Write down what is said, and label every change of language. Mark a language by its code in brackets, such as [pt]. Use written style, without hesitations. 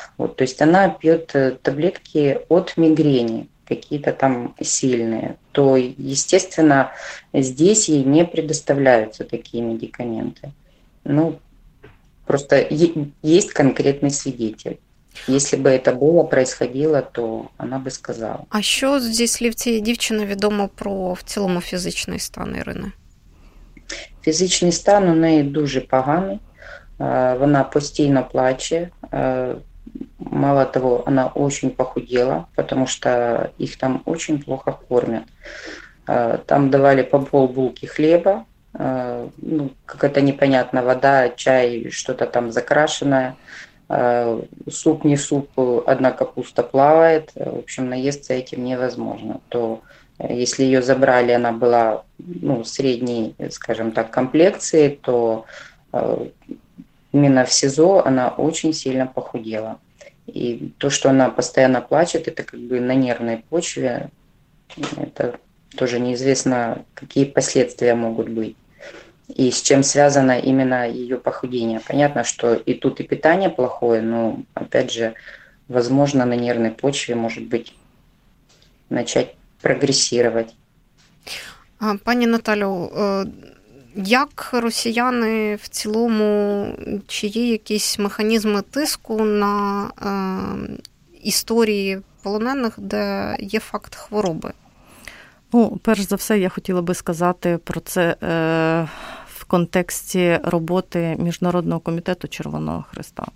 [ru] Вот, то есть она пьет таблетки от мигрени, какие-то там сильные. То, естественно, здесь ей не предоставляются такие медикаменты. Ну, просто есть конкретный свидетель. Если бы это было происходило, то она бы сказала. [uk] А що зі слів цієї дівчини відомо про в цілому фізичний стан Ірини? Фізичний стан у неї дуже поганий. Вона постійно плаче. [ru] Мало того, [uk] вона [ru] очень похудела, потому что їх там очень плохо кормять. Там давали по полбулки хлеба, ну, какая-то непонятна вода, чай, что-то там закрашенное. Суп не суп, одна капуста плавает, в общем, наесться этим невозможно. То если ее забрали, она была, ну, средней, скажем так, комплекции, то именно в СИЗО она очень сильно похудела. И то, что она постоянно плачет, это как бы на нервной почве, это тоже неизвестно, какие последствия могут быть. И с чем связано именно ее похудение. Понятно, что и тут и питание плохое, но, опять же, возможно, на нервной почве, может быть, начать прогрессировать. [uk] Пані Наталю, як росіяни в цілому, чи є якісь механізми тиску на історії полонених, де є факт хвороби? Ну, перш за все, я хотіла би сказати про це... в контексті роботи Міжнародного комітету Червоного Хреста.